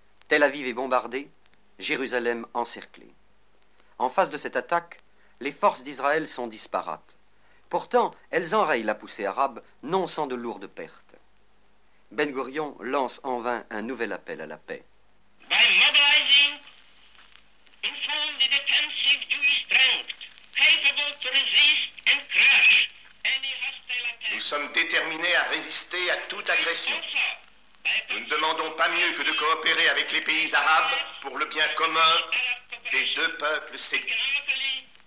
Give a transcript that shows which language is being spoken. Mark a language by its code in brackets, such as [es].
[fr] Tel Aviv est bombardé, Jérusalem encerclée. En face de cette attaque, les forces d'Israël sont disparates. Pourtant, elles enrayent la poussée arabe, non sans de lourdes pertes. Ben-Gourion lance en vain un nouvel appel à la paix. [en] By mobilizing informed and defensive Jewish strength, capable to resist and crush any hostile attack. [fr] Nous sommes déterminés à résister à toute agression. Nous ne demandons pas mieux que de coopérer avec les pays arabes pour le bien commun des deux peuples séduits.